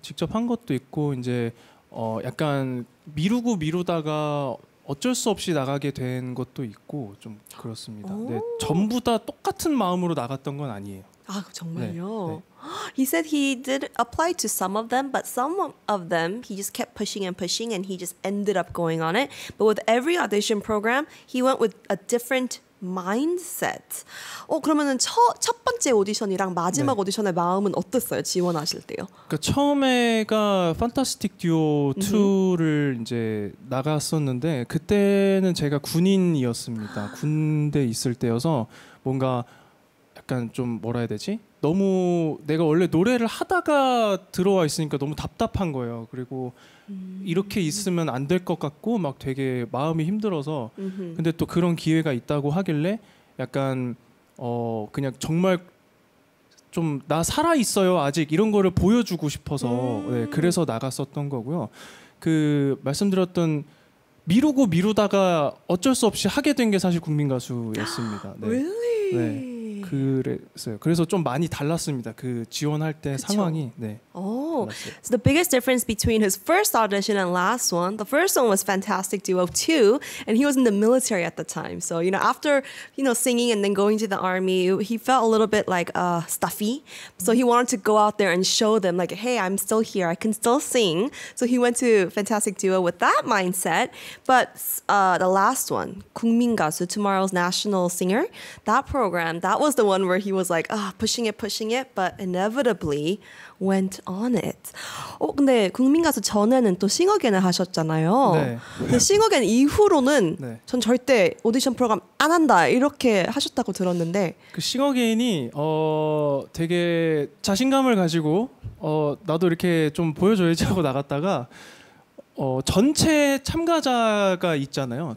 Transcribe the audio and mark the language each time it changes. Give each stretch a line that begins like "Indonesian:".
Korean: 직접 한 것도 있고 이제 약간 미루고 미루다가 어쩔 수 없이 나가게 된 것도 있고 좀 그렇습니다. 근데 전부 다 똑같은 마음으로 나갔던 건 아니에요. 아 정말요? 네.
English: He said he did apply to some of them, but some of them he just kept pushing and pushing and he just ended up going on it. But with every audition program, he went with a different mindset.
Korean: 그러면은 첫 번째 오디션이랑 마지막 네. 오디션의 마음은 어땠어요? 지원하실 때요? 그러니까 처음에가 판타스틱 듀오 2를 이제 나갔었는데 그때는 제가 군인이었습니다. 군대 있을 때여서 뭔가 약간 좀 뭐라 해야 되지? 너무 내가 원래 노래를 하다가 들어와 있으니까 너무 답답한 거예요. 그리고 이렇게 있으면 안 될 것 같고 막 되게 마음이 힘들어서 근데 또 그런 기회가 있다고 하길래 약간 그냥 정말 좀 나 살아 있어요 아직 이런 거를 보여주고 싶어서 네, 그래서 나갔었던 거고요. 그 말씀드렸던 미루고 미루다가 어쩔 수 없이 하게 된 게 사실 국민가수였습니다.
English: 네. Really?
Korean: 네. 그랬어요. 그래서 좀 많이 달랐습니다. 그 지원할 때 그쵸? 상황이. 네.
English: Oh, so the biggest difference between his first audition and last one. The first one was Fantastic Duo 2 and he was in the military at the time. So, you know, after, you know, singing and then going to the army, he felt a little bit like stuffy. So he wanted to go out there and show them like, "Hey, I'm still here. I can still sing." So he went to Fantastic Duo with that mindset. But the last one, 국민가수, Tomorrow's National Singer, that program, that was the one where he was like, pushing it, but inevitably went on it.
Korean: 근데 국민가수 전에는 또 싱어겐을 하셨잖아요. 네. 싱어겐 이후로는 네. 전 절대 오디션 프로그램 안 한다 이렇게 하셨다고 들었는데 그 싱어겐이 되게 자신감을 가지고 나도 이렇게 좀 보여줘야지 하고 나갔다가 전체 참가자가 있잖아요.